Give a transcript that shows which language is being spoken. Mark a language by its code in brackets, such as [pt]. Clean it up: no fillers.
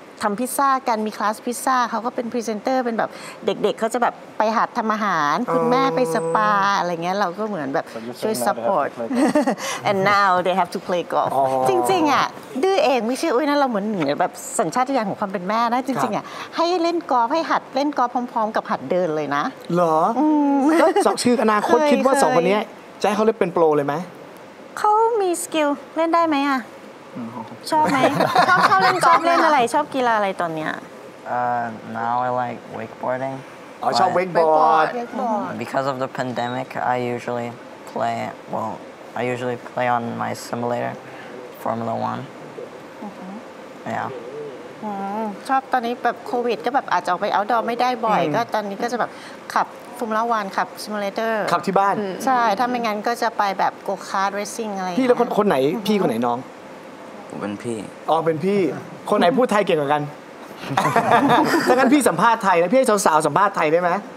[th] ทำพิซซ่ากันมีคลาสพิซซ่าเขาก็เป็นพรีเซนเตอร์เป็นแบบเด็กๆ เขาจะแบบไปหัดทำอาหารคุณแม่ไปสปาอะไรเงี้ยเราก็เหมือนแบบช่วยซัพพอร์ต [en] and now they have to play golf [th] จริงๆอ่ะดื้อเองไม่ใช่อุ้ยนะเราเหมือนแบบสัญชาตญาณของความเป็นแม่นะจริงๆอ่ะให้เล่นกอล์ฟให้หัดเล่นกอล์ฟพร้อมๆกับหัดเดินเลยนะ เหรอสองชื่ออนาคตคิดว่าสองคนนี้จะให้เขาเล่นเป็นโปรเลยไหม เขามีสกิลเล่นได้ไหมอ่ะชอบไหมชอบเล่นกอล์ฟเล่นอะไรชอบกีฬาอะไรตอนเนี้ย [en] Now I like wakeboarding I [th] ชอบ [en] wakeboard because of the pandemic I usually play well I usually play on my simulator Formula One yeah [th] ชอบตอนนี้แบบโควิดก็แบบอาจจะออกไป outdoor ไม่ได้บ่อยก็ตอนนี้ก็จะแบบขับฟอร์มูล่า1ขับซิมูเลเตอร์ ขับที่บ้าน ใช่ถ้าไม่งั้นก็จะไปแบบโกคาร์ทเรซซิ่งอะไร พี่แล้วคนไหนพี่คนไหนน้อง เป็นพี่ อ๋อเป็นพี่คนไหนพูดไทยเก่งกว่ากันถ้างั้นพี่สัมภาษณ์ไทยนะพี่ให้สาวๆสัมภาษณ์ไทยได้ไหม